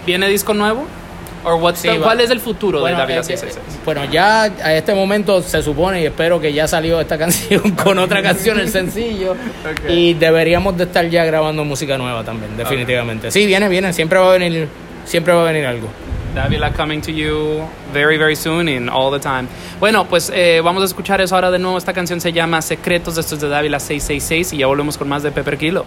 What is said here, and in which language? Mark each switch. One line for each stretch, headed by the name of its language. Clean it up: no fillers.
Spanish: ¿Viene disco nuevo?
English: Or what's
Spanish: ¿cuál es el futuro de Dávila 666? Bueno, ya a este momento se supone y espero que ya salió esta canción con otra canción, el sencillo. Okay. Y deberíamos de estar ya grabando música nueva también, definitivamente. Okay. Sí, viene, siempre va a venir algo.
English: Dávila coming to you very, very soon and all the time.
Spanish: Bueno, pues vamos a escuchar eso ahora de nuevo. Esta canción se llama Secretos. Esto es de Dávila 666 y ya volvemos con más de Pepper Kilo.